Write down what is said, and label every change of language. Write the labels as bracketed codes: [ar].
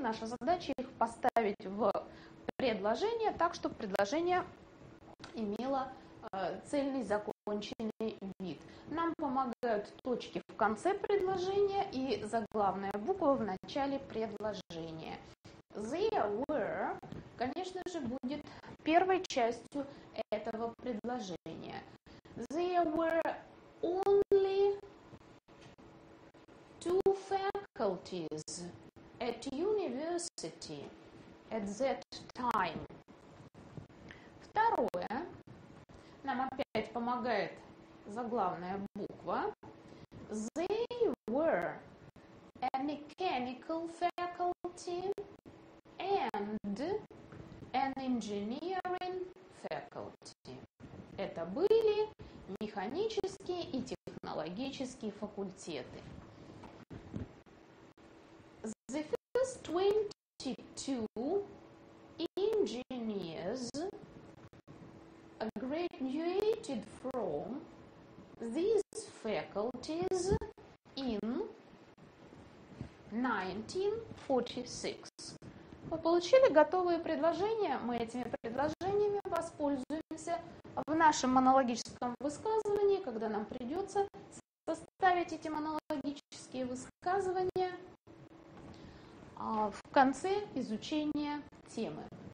[ru] Наша задача – их поставить в предложение так, чтобы предложение имело цельный закон. Вид. Нам помогают точки в конце предложения и заглавная буква в начале предложения. [en] There were, [ru] конечно же, будет первой частью этого предложения. [en] There were only two faculties at university at that time. [ru] нам опять помогает заглавная буква. [en] They were a mechanical faculty and an engineering faculty. [ru] Это были механические и технологические факультеты. [en] The first 22 engineers graduated from these faculties in 1946. [ru] Мы получили готовые предложения. Мы этими предложениями воспользуемся в нашем монологическом высказывании, когда нам придется составить эти монологические высказывания в конце изучения темы.